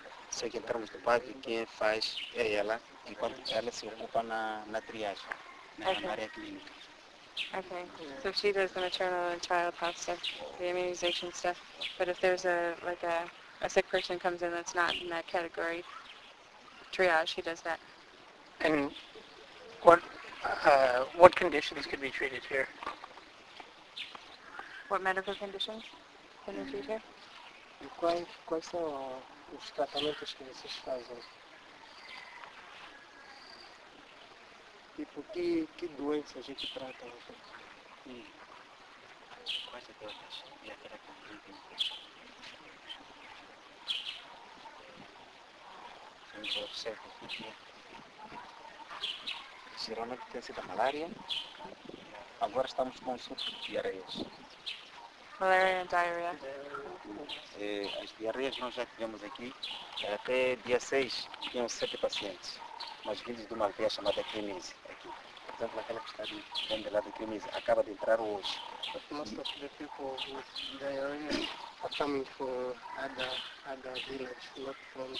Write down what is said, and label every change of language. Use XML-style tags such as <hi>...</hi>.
<pt>Sei que em termos do PAG, quem faz é ela, enquanto ela se ocupa na triagem, na área clínica.</pt> <en>Ok, so she does the maternal and child health stuff, the immunization stuff, but if there's a sick person comes in that's not in that category, triage, she does that. And what conditions could be treated here? What medical conditions can be treated here?</en> <pt>Quais são os tratamentos que vocês fazem? Tipo, que doença a gente trata? Quais são as doenças? E aquela que eu tenho que fazer? Eu observo o que é. Geralmente tem sido a malária. Agora estamos com surto de diarreias.</pt> <en>Malaria and diarrhea.</en> <pt>As diarreias nós já tivemos aqui, até dia 6 tinham 7 pacientes, mas vindos de uma aldeia chamada Cremise, aqui. Por exemplo, aquela que está ali, bem de lado, Cremise, acaba de entrar hoje.</pt> <en>Most of the people with diarrhea are coming from other villages, not from this</en>